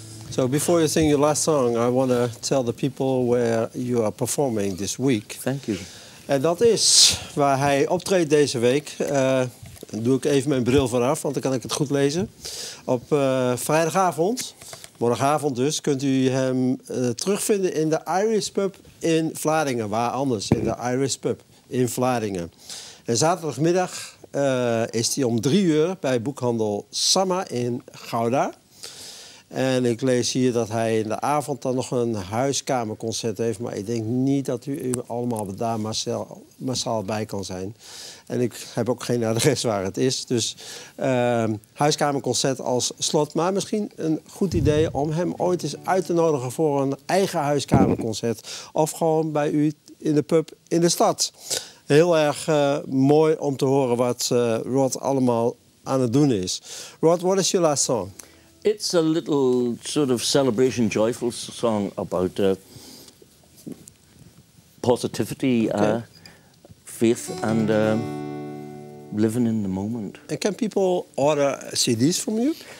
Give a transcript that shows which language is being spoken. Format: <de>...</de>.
<en>So before you sing your last song, I want to tell the people where you are performing this week. Thank you.</en> <nl>En dat is waar hij optreedt deze week. Doe ik even mijn bril vanaf, want dan kan ik het goed lezen. Op vrijdagavond, morgenavond dus, kunt u hem terugvinden in de Irish Pub in Vlaardingen. Waar anders? In de Irish Pub in Vlaardingen. En zaterdagmiddag is hij om 3:00 bij boekhandel Samma in Gouda. En ik lees hier dat hij in de avond dan nog een huiskamerconcert heeft. Maar ik denk niet dat u allemaal daar massaal bij kan zijn. En ik heb ook geen adres waar het is. Dus huiskamerconcert als slot. Maar misschien een goed idee om hem ooit eens uit te nodigen voor een eigen huiskamerconcert. Of gewoon bij u in de pub in de stad. Heel erg mooi om te horen wat Rod allemaal aan het doen is.</nl> <en>Rod, what is your last song? It's a little sort of celebration, joyful song about positivity, okay. Faith, and living in the moment. And can people order CDs from you?</en>